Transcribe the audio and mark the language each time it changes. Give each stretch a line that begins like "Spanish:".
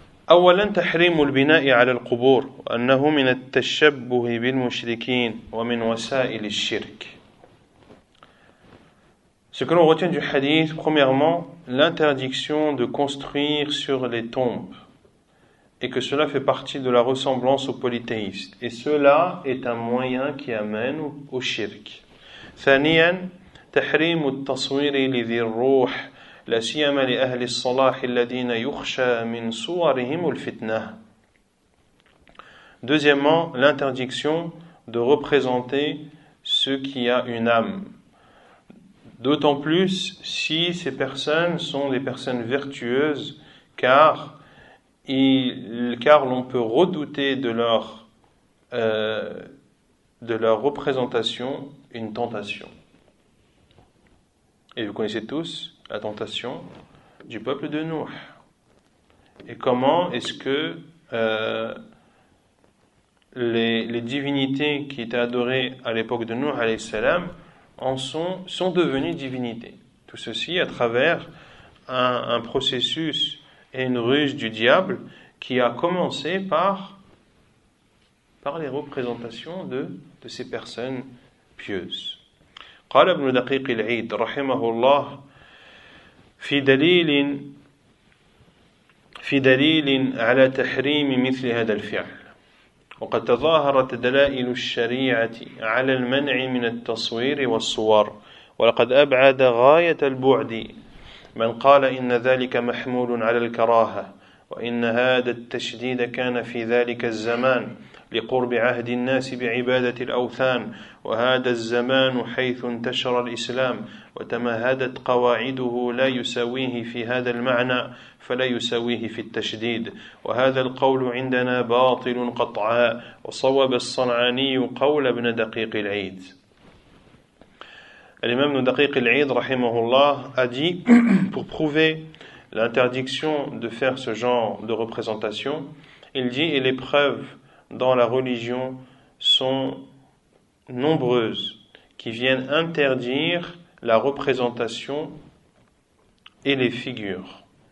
Arabic: أولا تحريم البناء على القبور أنه من التشبه بالمشركين ومن وسائل الشرك.
French: Ce que l'on retient du hadith, premièrement, l'interdiction de construire sur les tombes et que cela fait partie de la ressemblance aux polythéistes. Et cela est un moyen qui amène au shirk.
Arabic: ثانيا تحريم التصوير لذي الروح لا سيما لأهل الصلاح الذين يخشى من صورهم الفتنة.
French: Deuxièmement, l'interdiction de représenter ce qui a une âme. D'autant plus si ces personnes sont des personnes vertueuses, car l'on peut redouter de leur représentation une tentation. Et vous connaissez tous la tentation du peuple de Nuh. Et comment est-ce que les divinités qui étaient adorées à l'époque de Nuh, alayhi salam, sont devenues divinités. Tout ceci à travers un processus et une ruse du diable qui a commencé par les représentations de ces personnes pieuses.
Arabic: قال ابن دقيق العيد رحمه الله في دليل على تحريم مثل هذا الفعل وقد تظاهرت دلائل الشريعة على المنع من التصوير والصور ولقد أبعد غاية البعد من قال إن ذلك محمول على الكراهة وإن هذا التشديد كان في ذلك الزمان لقرب عهد الناس بعبادة الأوثان وهذا الزمان حيث انتشر الإسلام وتمهدت قواعده لا يساويه في هذا المعنى فلا يساويه في التشديد وهذا القول عندنا باطل قطعا وصوب الصنعاني قول ابن دقيق العيد. الإمام ابن دقيق العيد رحمه الله
French: a dit pour prouver l'interdiction de faire ce genre de représentation, il dit et les preuves dans la religion sont nombreuses qui viennent interdire la représentation et les figures.